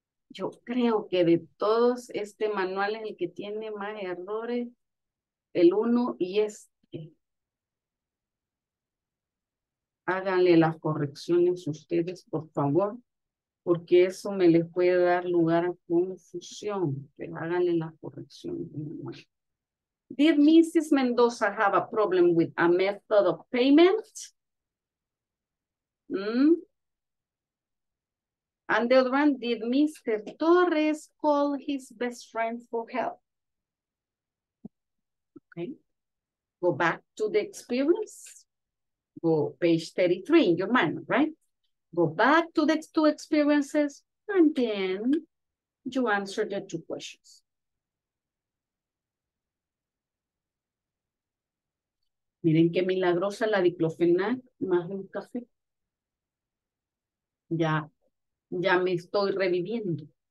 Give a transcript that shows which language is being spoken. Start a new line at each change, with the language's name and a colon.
Spanish: Yo creo que de todos este manual es el que tiene más errores, el uno y este. Háganle las correcciones ustedes, por favor, porque eso me les puede dar lugar a confusión. Pero háganle las correcciones.
English: Did Mrs. Mendoza have a problem with a method of payment? And the other one, did Mr. Torres call his best friend for help? Okay. Go back to the experience. Go page 33 in your mind, right? Go back to the two experiences and then you answer the two questions.
Spanish: Miren qué milagrosa la diclofenac, más un café. Ya. Ya me estoy reviviendo.